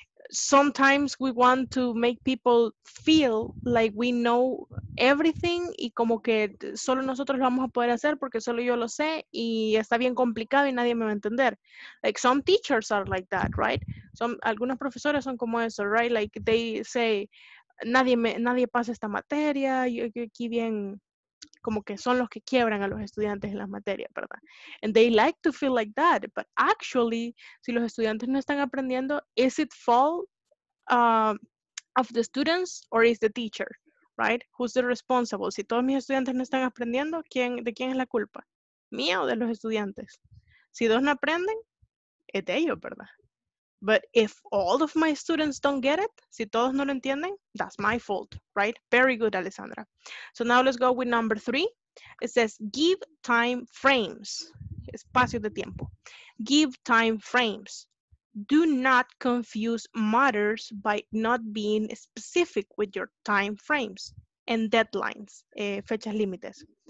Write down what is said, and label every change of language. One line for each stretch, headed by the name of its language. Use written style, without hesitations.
English: Sometimes we want to make people feel like we know everything
Spanish: y como que solo nosotros lo vamos a poder hacer porque solo yo lo sé y está bien complicado y nadie me va a entender.
English: Like some teachers are like that, right? Some,
Spanish: algunos profesores son como eso,
English: right? Like they say,
Spanish: nadie pasa esta materia, yo aquí bien... como que son los que quiebran a los estudiantes en las materias, ¿verdad?
English: And they like to feel like that, but actually,
Spanish: si los estudiantes no están aprendiendo,
English: is it fault of the students or is the teacher, right? Who's the responsible?
Spanish: Si todos mis estudiantes no están aprendiendo, ¿de quién es la culpa? ¿Mía o de los estudiantes? Si dos no aprenden, es de ellos, ¿verdad?
English: But if all of my students don't get it,
Spanish: si todos no lo entienden,
English: that's my fault, right? Very good, Alessandra. So now let's go with number three. It says, give time frames.
Spanish: Espacio de tiempo.
English: Give time frames. Do not confuse matters by not being specific with your time frames and deadlines,
Spanish: fechas límites.